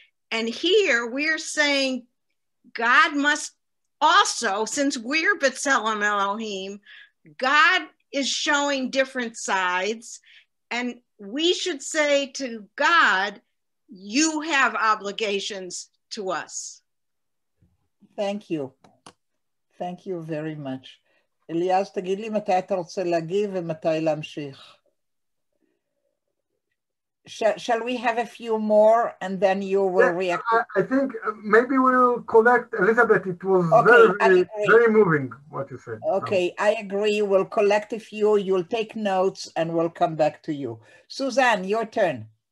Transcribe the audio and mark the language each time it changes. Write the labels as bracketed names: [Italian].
[English] And here we're saying God must also, since we're B'Tselem Elohim, God is showing different sides. And we should say to God, you have obligations to us. Thank you. Thank you very much. [Hebrew] Eliaz, תגיד לי מתי אתה רוצה להגיב ומתי להמשיך. [English] Shall we have a few more and then you will react? I think maybe we'll collect, Elizabeth, it was very moving what you said. Okay, so. I agree. We'll collect a few, you'll take notes and we'll come back to you. Suzanne, your turn.